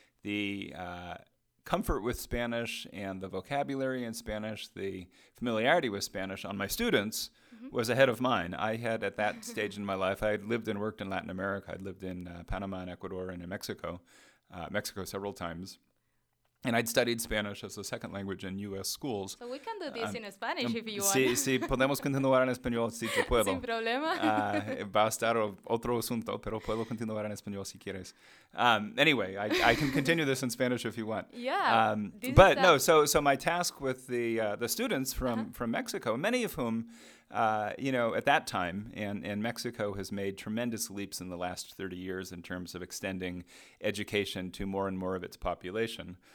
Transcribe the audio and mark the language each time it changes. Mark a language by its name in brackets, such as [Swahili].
[English] The comfort with Spanish and the vocabulary in Spanish, the familiarity with Spanish on my students was ahead of mine. I had, at that stage in my life, I had lived and worked in Latin America. I'd lived in Panama and Ecuador and in Mexico. Mexico several times, and I'd studied Spanish as a second language in U.S. schools. So we can do this in Spanish if you want. [Spanish] Sí, podemos continuar en español si te puedo. Sin problema. Va a estar otro asunto, pero puedo continuar en español si quieres. [English] Anyway, I can continue this in Spanish if you want. Yeah. But no, so my task with the students from Mexico, many of whom, you know, at that time, and Mexico has made tremendous leaps in the last 30 years in terms of extending education to more and more of its population.